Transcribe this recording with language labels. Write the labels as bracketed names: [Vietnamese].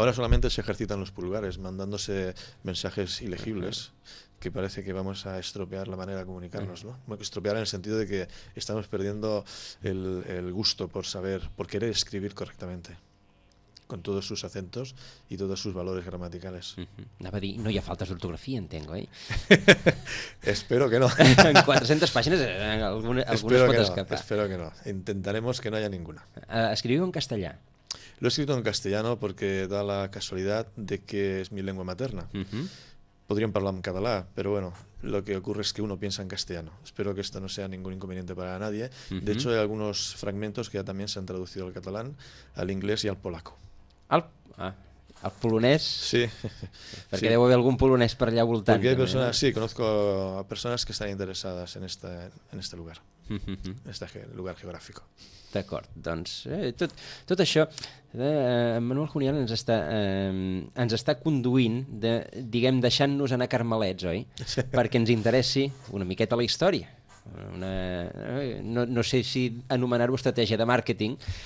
[Spanish] Ahora solamente se ejercitan los pulgares, mandándose mensajes ilegibles. Que parece que vamos a estropear la manera de comunicarnos, ¿no? Estropear en el sentido de que estamos perdiendo el gusto por saber, por querer escribir correctamente, con todos sus acentos y todos sus valores gramaticales. [Catalan] Anava a dir, no hi ha faltes d'ortografia, entenc, oi? [Spanish] Espero que no. [Catalan] En 400 pàgines algunes pot escapar. [Spanish] Espero que no. Intentaremos que no haya ninguna. [Catalan] Escriviu en castellà. [Spanish] Lo he escrito en castellano porque da la casualidad de que es mi lengua materna. Podrían hablar en catalán, pero bueno, lo que ocurre es que uno piensa en castellano. Espero que esto no sea ningún inconveniente para nadie. De hecho, hay algunos fragmentos que ya también se han traducido al catalán, al inglés y al polaco. [Catalan] Al polonés? [Spanish] Sí. [Catalan] Perquè deu haver algun polonès per allà voltant. [Spanish] Porque hay personas, sí, conozco a personas que están interesadas en este lugar, en este lugar geográfico. [Catalan] D'acord, doncs tot això, Manuel Junyan ens està conduint, diguem, deixant-nos anar carmelets, oi? Perquè ens interessi una miqueta la història. No sé si anomenar-ho estratègia de màrqueting.